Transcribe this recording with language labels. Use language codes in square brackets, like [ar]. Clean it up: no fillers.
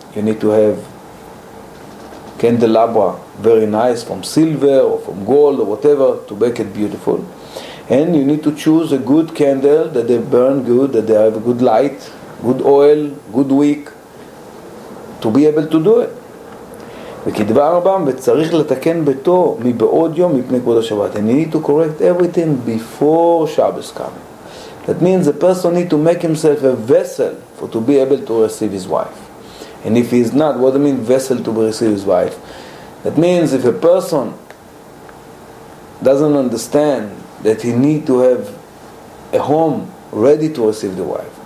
[en] You need to have candelabra, very nice, from silver or from gold or whatever, to make it beautiful. And you need to choose a good candle that they burn good, that they have good light, good oil, good wick, to be able to do it. [he] וכדבר רבם, וצריך לתקן ביתו מבעוד יום מפני כבוד השבת. [en] And you need to correct everything before Shabbos coming. That means a person need to make himself a vessel for to be able to receive his wife. And if he is not, what do you mean vessel to receive his wife? That means if a person doesn't understand that he need to have a home ready to receive the wife.